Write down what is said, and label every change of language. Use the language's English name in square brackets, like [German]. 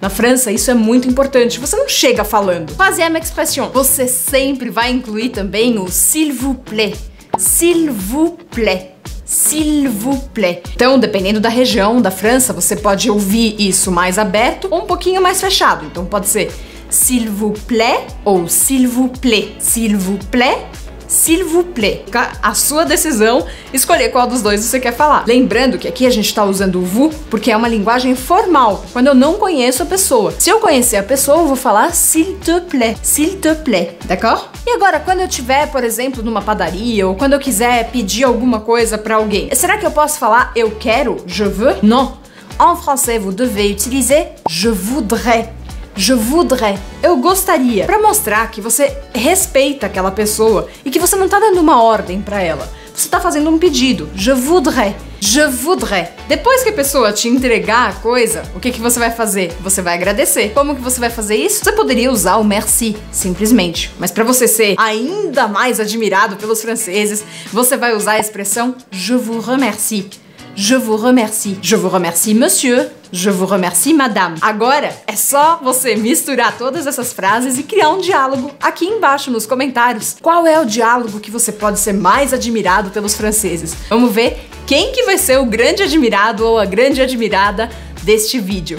[Portuguese] Na França, isso é muito importante. Você não chega falando. [French] Troisième expression. [Portuguese] Você sempre vai incluir também o [French] s'il vous plaît. S'il vous plaît. S'il vous plaît. [Portuguese] Então, dependendo da região da França, você pode ouvir isso mais aberto ou um pouquinho mais fechado. Então, pode ser [French] s'il vous plaît ou s'il vous plaît. S'il vous plaît. S'il vous plaît. [Portuguese] Fica a sua decisão escolher qual dos dois você quer falar. Lembrando que aqui a gente tá usando o vous porque é uma linguagem formal, quando eu não conheço a pessoa. Se eu conhecer a pessoa, eu vou falar [French] s'il te plaît. S'il te plaît. D'accord? [Portuguese] E agora, quando eu tiver, por exemplo, numa padaria ou quando eu quiser pedir alguma coisa pra alguém, será que eu posso falar eu quero? [French] Je veux? Non. En français, vous devez utiliser je voudrais. Je voudrais. [Portuguese] Eu gostaria. Pra mostrar que você respeita aquela pessoa e que você não tá dando uma ordem pra ela. Você tá fazendo um pedido. [French] Je voudrais. Je voudrais. [Portuguese] Depois que a pessoa te entregar a coisa, o que que você vai fazer? Você vai agradecer. Como que você vai fazer isso? Você poderia usar o [French] merci, [Portuguese] simplesmente. Mas pra você ser ainda mais admirado pelos franceses, você vai usar a expressão [French] je vous remercie. Je vous remercie. Je vous remercie, monsieur. Je vous remercie, madame. [Portuguese] Agora, é só você misturar todas essas frases e criar um diálogo aqui embaixo nos comentários. Qual é o diálogo que você pode ser mais admirado pelos franceses? Vamos ver quem que vai ser o grande admirado ou a grande admirada deste vídeo.